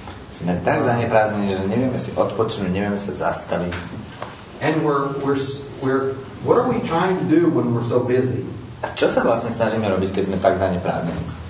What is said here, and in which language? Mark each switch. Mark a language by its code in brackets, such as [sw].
[sk] Sme tak zaneprázdnení, že nevieme si odpočinúť, nevieme sa zastaviť. [en] And we're what are we trying to do when we're so busy? [sk] A čo sa vlastne snažíme robiť, keď sme tak zaneprázdnení?